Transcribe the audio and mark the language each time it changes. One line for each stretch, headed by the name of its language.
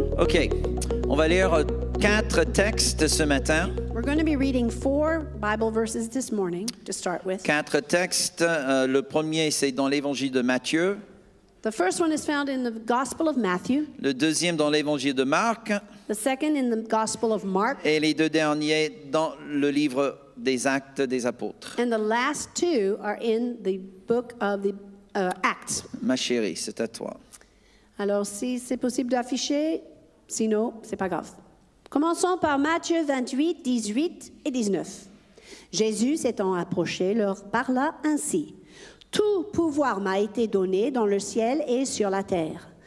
French: Okay, on va lire quatre textes ce matin.
English: We're going to be reading four Bible verses this morning to start with.
French: Quatre textes. Le premier, c'est dans l'Évangile de Matthieu.
English: The first one is found in the Gospel of Matthew.
French: Le deuxième dans l'Évangile de Marc.
English: The second in the Gospel of Mark.
French: Et les deux derniers dans le livre des Actes des Apôtres.
English: And the last two are in the book of the Acts.
French: Ma chérie, c'est à toi. Alors, si c'est possible d'afficher, sinon, c'est pas grave. Commençons par Matthieu 28, 18 et 19. Jésus s'étant approché, leur parla ainsi. Tout pouvoir m'a été donné dans le ciel et sur la terre.